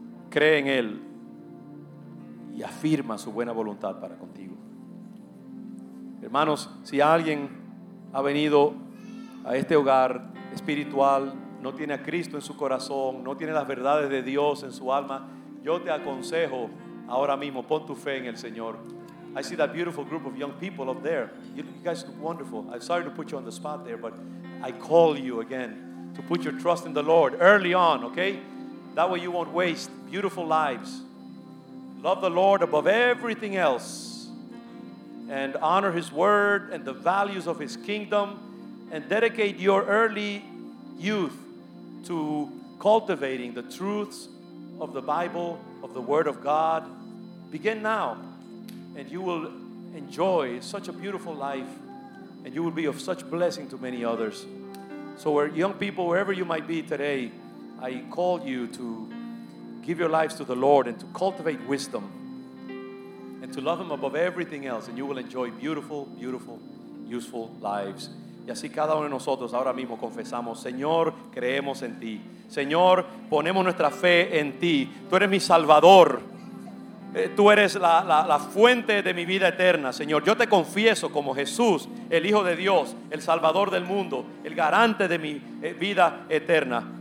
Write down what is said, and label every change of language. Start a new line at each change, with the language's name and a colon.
Spanish: Cree en Él y afirma su buena voluntad para contigo. Hermanos, si alguien ha venido a este hogar espiritual, no tiene a Cristo en su corazón, no tiene las verdades de Dios en su alma, yo te aconsejo ahora mismo, pon tu fe en el Señor.
English: I see that beautiful group of young people up there. You guys look wonderful. I'm sorry to put you on the spot there, but I call you again to put your trust in the Lord early on, okay? That way you won't waste beautiful lives. Love the Lord above everything else and honor His word and the values of His kingdom, and dedicate your early youth to cultivating the truths of the Bible, of the word of God. Begin now. And you will enjoy such a beautiful life, and you will be of such blessing to many others. So, where young people, wherever you might be today, I call you to give your lives to the Lord and to cultivate wisdom and to love Him above everything else, and you will enjoy beautiful, useful lives.
Spanish: Y así cada uno de nosotros ahora mismo confesamos: Señor, creemos en ti. Señor, ponemos nuestra fe en ti. Tú eres mi Salvador. Tú eres la fuente de mi vida eterna. Señor, yo te confieso como Jesús, el Hijo de Dios, el Salvador del mundo, el garante de mi vida eterna.